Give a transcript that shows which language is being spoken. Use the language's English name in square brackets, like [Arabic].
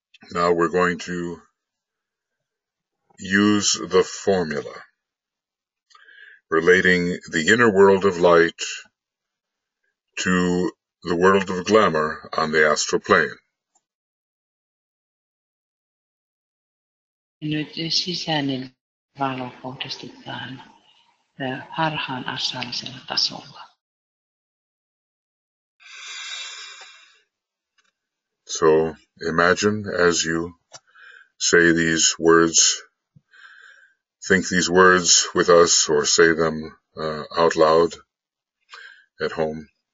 [English] Now we're going to use the formula relating the inner world of light to the world of glamour on the astral plane. [Finnish] Nyt sisäinen valo kohdistetaan harhaan astraalisella tasolla. [English] So imagine as you say these words, think these words with us or say them out loud at home.